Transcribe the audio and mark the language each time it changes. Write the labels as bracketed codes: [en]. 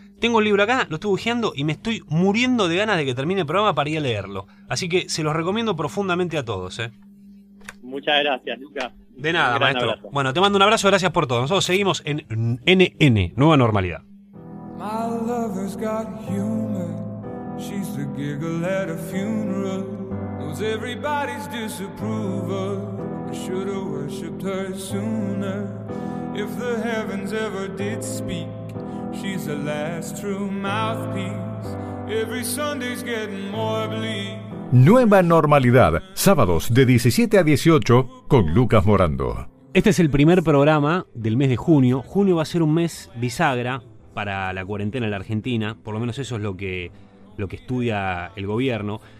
[es] Tengo el libro acá, lo estoy bujeando y me estoy muriendo de ganas de que termine el programa para ir a leerlo. Así que se los recomiendo profundamente a todos. Muchas gracias, Lucas. De nada, maestro. Abrazo. Bueno, te mando un abrazo, gracias por todo. Nosotros seguimos en NN, Nueva Normalidad. [en] My lover's got humor. She's the giggle at a funeral. Knows everybody's disapproval. I should've worshipped her sooner. If the heavens ever did speak, she's the last true mouthpiece. Every Sunday's getting more bleak. [es] Nueva Normalidad, sábados de 17 a 18 con Lucas Morando. Este es el primer programa del mes de junio. Junio va a ser un mes bisagra para la cuarentena en la Argentina, por lo menos eso es lo que estudia el gobierno.